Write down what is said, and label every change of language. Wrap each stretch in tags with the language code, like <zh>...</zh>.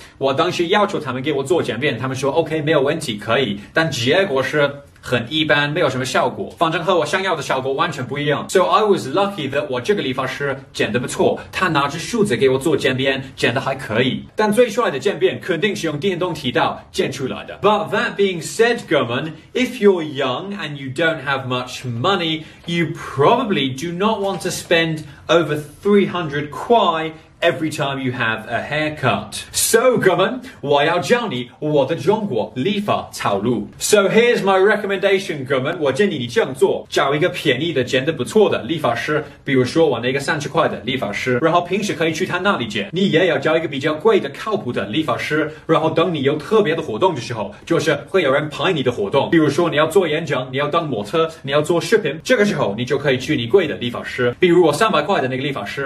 <zh>我当时要求他们给我做剪辫，他们说 OK 没有问题可以，但结果是很一般，没有什么效果，反正和我想要的效果完全不一样。</zh> <en>So I was lucky that</en> <zh>我这个理发师剪得不错，他拿着梳子给我做剪辫，剪得还可以。但最帅的剪辫肯定是用电动剃刀剪出来的。</zh> <en>But that being said, 哥们， if you're young and you don't have much money, you probably do not want to spend over 300 quai every time you have a haircut. So,</en> <zh>哥们，我要教你我的中国理发套路。</zh> <en>So here's my recommendation,</en> <zh>哥们，我建议你这样做，找一个便宜的剪得不错的理发师，比如说我那个30块的理发师，然后平时可以去他那里剪。你也要找一个比较贵的靠谱的理发师，然后等你有特别的活动的时候，就是会有人拍你的活动，比如说你要做演讲，你要当模特，你要做视频，这个时候你就可以去你贵的理发师，比如我300块的那个理发师。</zh>